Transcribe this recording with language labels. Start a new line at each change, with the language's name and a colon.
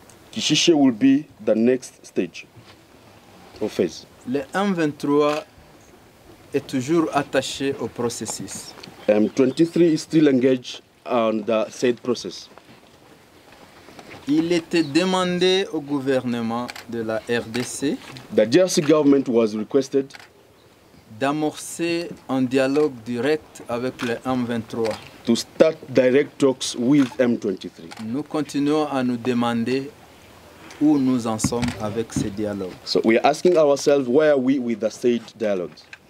English: Kishishe will be the next stage or phase.
French: Le M23 est toujours attaché au processus.
English: M23 is still engaged on the said process.
French: Il était demandé au gouvernement de la RDC.
English: The DRC government was requested
French: d'amorcer un dialogue direct avec le M23.
English: To start direct talks with M23.
French: Nous continuons à nous demander où nous en sommes avec ces dialogues.
English: So we are asking ourselves where are we with the state dialogues.